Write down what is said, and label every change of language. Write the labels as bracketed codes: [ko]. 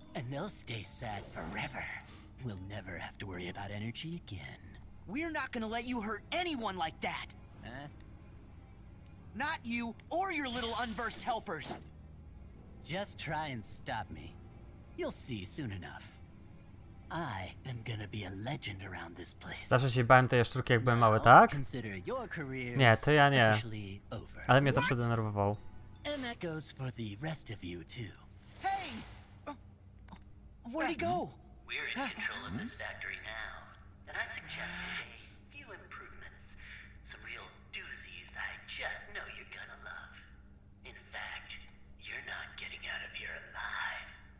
[en] And they'll stay sad forever. We'll never have to worry about energy again. We're not gonna let you hurt anyone like that! Huh? Not you, or your little unversed helpers! Just try and stop me. You'll see soon enough. I am gonna be a legend around this place. [pl] Zawsze się bałem tej sztuki, jak byłem mały, tak? Nie, to ja nie. Ale mnie zawsze denerwował. [en] And that goes for the rest of you too. Hey! Where'd he go? We're in control of this factory now. And I suggest a few improvements. Some real doozies I just know you're gonna love. In fact, you're not getting out of here alive.